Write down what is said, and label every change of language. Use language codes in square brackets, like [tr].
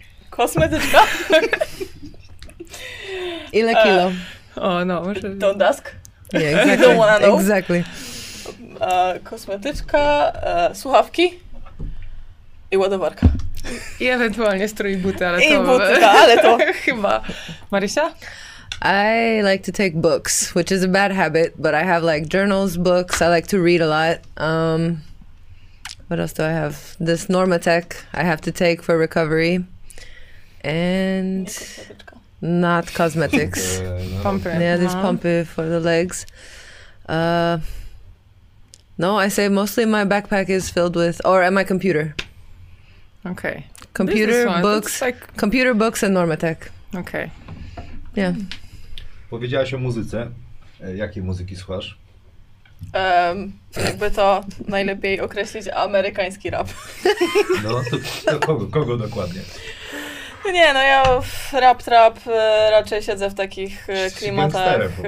[pl] Kosmetyczka? Ile kilo? [en] Don't ask? Yeah, exactly. You don't wanna know. Exactly. [pl] Kosmetyczka, słuchawki i ładowarka. I ewentualnie strój i buty, ale i to... I buty, ale to... chyba. Marysia? [en] I like to take books, which is a bad habit, but I have like journals, books, I like to read a lot. What else do I have? This Normatec I have to take for recovery. And... Not cosmetics. [pl] Pumpy. [en] Yeah, this pumpy for the legs. No, I say mostly my backpack is filled with, or at my computer. Okay. Computer, books, like... computer books and Normatec. Okay. Yeah. [pl] Powiedziałaś o muzyce. Jakiej muzyki słuchasz? Jakby to najlepiej określić amerykański rap. No, to kogo dokładnie? Nie, no ja rap raczej siedzę w takich klimatach.